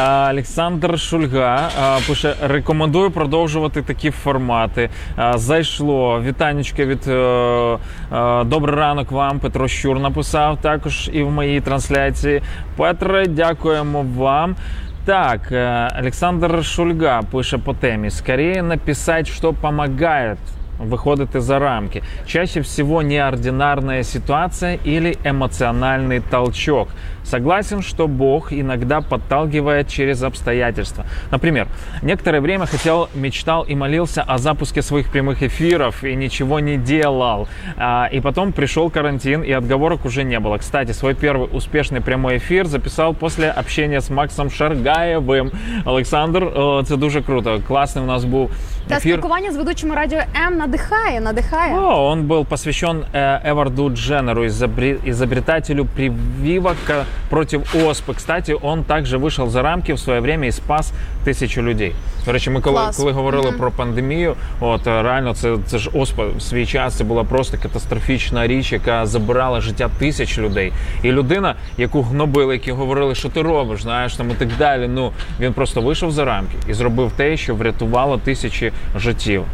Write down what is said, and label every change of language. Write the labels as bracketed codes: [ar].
[uk] Олександр Шульга пише, рекомендую продовжувати такі формати. Зайшло. Вітанечка від «Добрий ранок вам», Петро Щур написав також і в моїй трансляції. Петре, дякуємо вам. Так, Олександр Шульга пише по темі. [ru] Скорее написать, що помогает виходити за рамки. Чаще всего неординарная ситуация или эмоциональный толчок. Согласен, что Бог иногда подталкивает через обстоятельства. Например, некоторое время хотел, мечтал и молился о запуске своих прямых эфиров и ничего не делал. И потом пришел карантин, и отговорок уже не было. Кстати, свой первый успешный прямой эфир записал после общения с Максом Шаргаевым. [uk] Александр, це дуже круто. Класний у нас був эфир. Та спілкування з ведучим радіо М надихає. [ru] О, он был посвящен Эварду Дженнеру, изобретателю прививок против оспы. Кстати, он также вышел за рамки в своё время и спас тысячу людей. [uk] До речі, ми коли говорили про пандемію, от реально це ж оспа в свій час, це була просто катастрофічна річ, яка забирала життя тисяч людей. І людина, яку гнобили, які говорили, що ти робиш, знаєш, там і так далі, ну, він просто вийшов за рамки і зробив те, що врятувало тисячі життів.